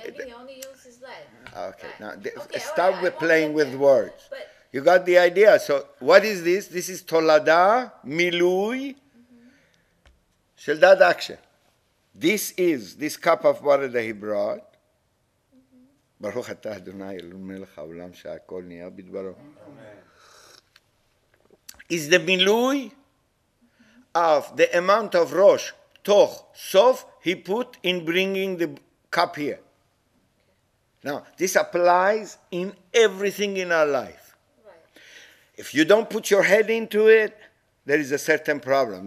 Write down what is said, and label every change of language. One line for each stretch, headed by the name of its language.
English: Maybe he only used his leg. Okay, now stop with playing with words. But you got the idea. So what is this? This is Tolada, Milui, Sheldad Akshe. This is this cup of water that he brought.
Hebrew: ברוך אתה אדוני אלוהינו מלך העולם שהכל נהיה בדברו.
English: Is the milui of the amount of rosh, toch, sof, he put in bringing the cup here. Now, this applies in everything in our life. If you don't put your head into it, there is a certain problem.